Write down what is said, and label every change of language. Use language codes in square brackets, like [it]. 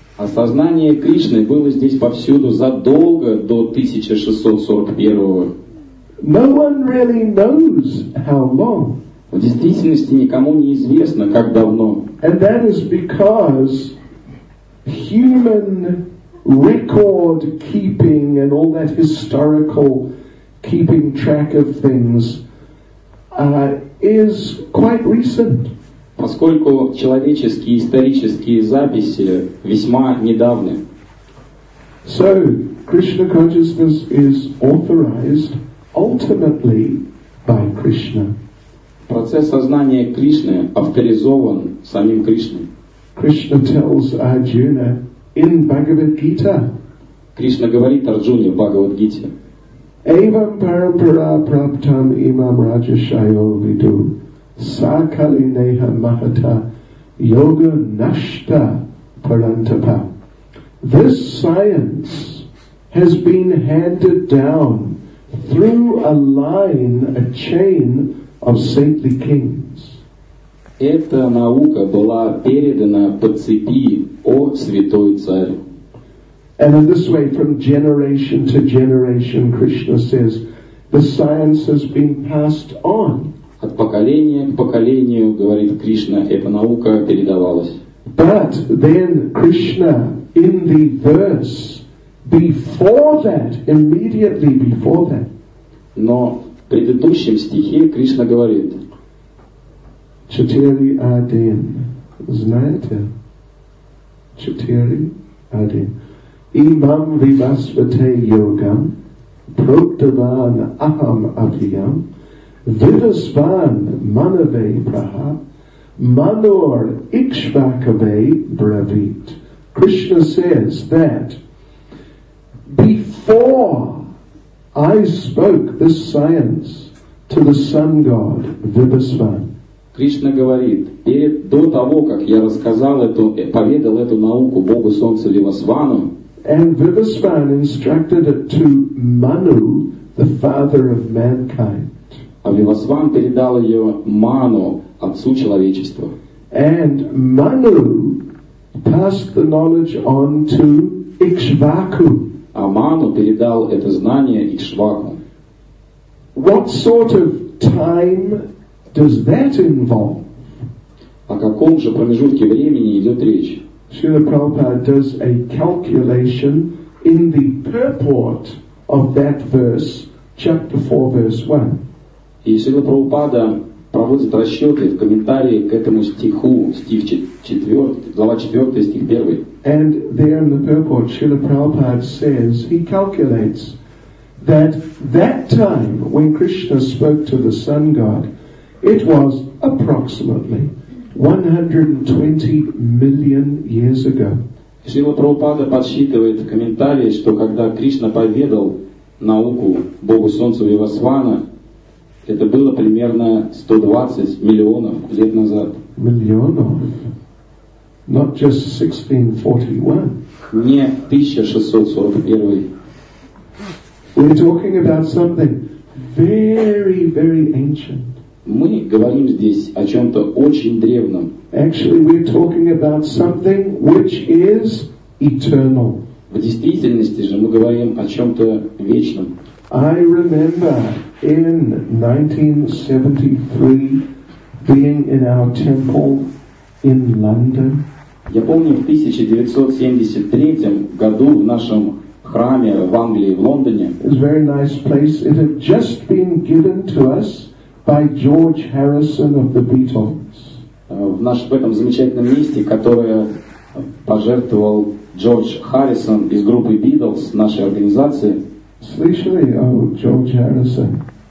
[ru] А сознание Кришны было здесь повсюду задолго до 1641. [en] No one really knows how long. [ru] В действительности никому не известно, как давно. [en] And that is because human record keeping and all that historical keeping track of things is quite recent. [ru] Поскольку человеческие исторические записи весьма недавны. [en] So, Krishna consciousness is authorized ultimately by Krishna. [ru] Процесс сознания Кришны авторизован самим Кришной. [en] Krishna tells Arjuna in Bhagavad Gita. [ru] Кришна говорит Арджуне в Бхагавад Гите. [sa] Evam parapara praptam imam rajashayo vidu sakali neha mahata yoga nashta parantapa. [en] This science has been handed down through a line, a chain of saintly kings. [ru] Эта наука была передана по цепи о святой царь. [en] And in this way, from generation to generation, Krishna says, the science has been passed on. [ru] От поколения к поколению, говорит Кришна, эта наука передавалась. [en] But then Krishna, in the verse, before that, immediately before that. [ru] Но в предыдущем стихе Кришна говорит. Четыре один. Знаете? Четыре один. [sa] Imam vivasvate yogam proktavan aham abhiyam vidasvan manave praha manor ikshvakave bravit. [en] Krishna says that before I spoke this science to the sun god Vibhasvan. [ru] Кришна говорит, до того, как я рассказал эту, поведал эту науку Богу Солнцу Вибхасвану, [en] and Vibhasvan instructed it to Manu, the father of mankind. [ru] А Вибхасван передал ее Ману, отцу человечества. [en] And Manu passed the knowledge on to Ikshvaku. [ru] А Ману передал это знание Ikshvaku. [en] What sort of time does that involve? [ru] О каком же промежутке времени идет речь? [en] Srila Prabhupada does a calculation in the purport of that verse, chapter 4, verse 1. [ru] И Srila Prabhupada проводит расчеты в комментарии к этому стиху, стих 4, глава 4, стих 1. [en] And there in the purport, Srila Prabhupada says, he calculates that that time when Krishna spoke to the sun god, it was approximately 120 million years ago. [ru] Шрила Прабхупада подсчитывает в комментарии, что когда Кришна поведал науку Богу Солнцу Вибхасвана, это было примерно 120 миллионов лет назад. Миллионов? [en] Not just 1641. [ru] Не 1641. [en] We're talking about something very, very ancient. [ru] Мы говорим здесь о чем-то очень древнем. [en] Actually, we're talking about something which is eternal. [ru] В действительности же мы говорим о чем-то вечном. [en] I remember in 1973 being in our temple in London. [ru] Я помню, в 1973 году в нашем храме в Англии, в Лондоне. [en] It's a very nice place. It had just been given to us by George Harrison of the Beatles. [ru] В этом замечательном месте, которое пожертвовал Джордж Харрисон из группы Beatles, нашей организации. Слышали о Джордже Харрисоне?